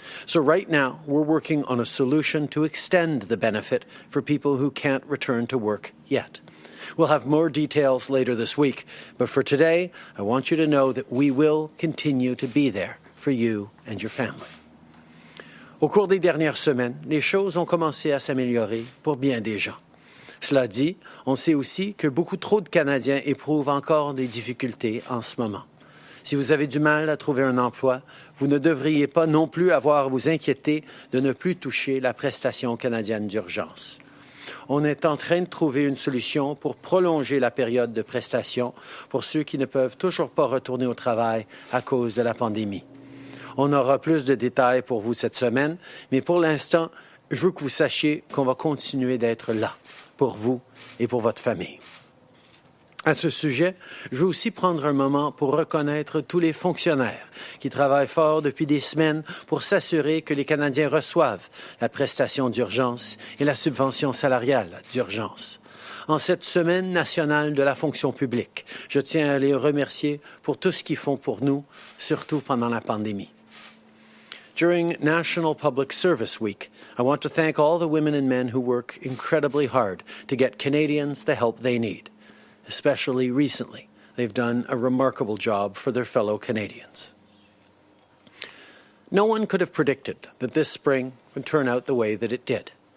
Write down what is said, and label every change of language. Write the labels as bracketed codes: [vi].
[en] So right now, we're working on a solution to extend the benefit for people who can't return to work yet. We'll have more details later this week, but for today, I want you to know that we will continue to be there for you and your family. [fr] Au cours des dernières semaines, les choses ont commencé à s'améliorer pour bien des gens. Cela dit, on sait aussi que beaucoup trop de Canadiens éprouvent encore des difficultés en ce moment. Si vous avez du mal à trouver un emploi, vous ne devriez pas non plus avoir à vous inquiéter de ne plus toucher la prestation canadienne d'urgence. On est en train de trouver une solution pour prolonger la période de prestation pour ceux qui ne peuvent toujours pas retourner au travail à cause de la pandémie. On aura plus de détails pour vous cette semaine, mais pour l'instant, je veux que vous sachiez qu'on va continuer d'être là pour vous et pour votre famille. À ce sujet, je veux aussi prendre un moment pour reconnaître tous les fonctionnaires qui travaillent fort depuis des semaines pour s'assurer que les Canadiens reçoivent la prestation d'urgence et la subvention salariale d'urgence. En cette semaine nationale de la fonction publique, je tiens à les remercier pour tout ce qu'ils font pour nous, surtout pendant la pandémie. [en] During National Public Service Week, I want to thank all the women and men who work incredibly hard to get Canadians the help they need. Especially recently, they've done a remarkable job for their fellow Canadians. No one could have predicted that this spring would turn out the way that it did.